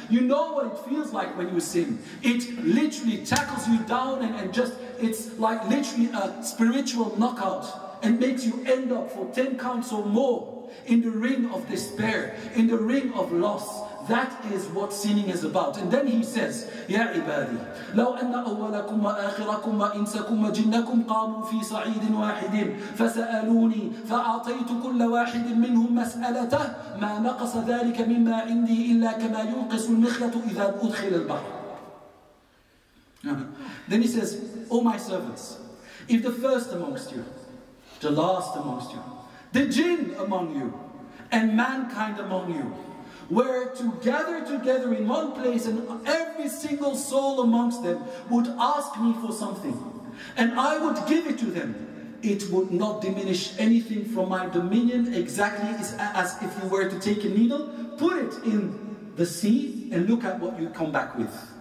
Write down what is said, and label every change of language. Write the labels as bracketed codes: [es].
[en] You know what it feels like when you sin. It literally tackles you down and just, it's like literally a spiritual knockout, and makes you end up for 10 counts or more in the ring of despair, in the ring of loss. That is what sinning is about. And then he says, Ya ibadi, [ar] لو أن أولكم وآخركم وإنسكم وجنكم قاموا في صعيد واحد فسألوني فأعطيت كل واحد منهم مسألته ما نقص ذلك مما عندي إلا كما ينقص المخيط إذا أدخل البحر. [en] Then he says, O my servants, if the first amongst you, the last amongst you, the jinn among you, and mankind among you, were to gather together in one place, and every single soul amongst them would ask me for something, and I would give it to them, it would not diminish anything from my dominion, exactly as if you were to take a needle, put it in the sea, and look at what you come back with.